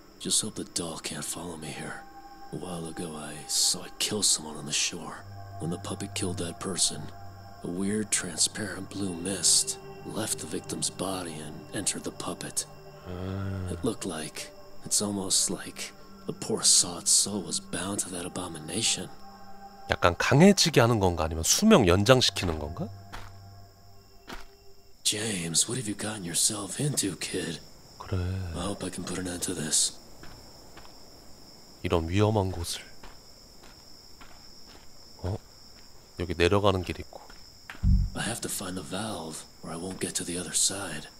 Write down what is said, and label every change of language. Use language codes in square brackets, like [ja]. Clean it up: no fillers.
[en] Just hope the dog can't follow me here. A while ago, I saw it kill someone on the shore. When the puppet killed that person, a weird transparent blue mist left the victim's body and entered the puppet. It looked like it's almost like the poor sod's soul was bound to that abomination. [ko] 약간 강해지게 하는 건가 아니면 수명 연장시키는 건가? [en] James, what have you gotten yourself into, kid? [ko] 그래. [en] I hope I can put an end to this. [ko] 이런 위험한 곳을. 어? 여기 내려가는 길 있고. [en] I have to find the valve or I won't get to the other side.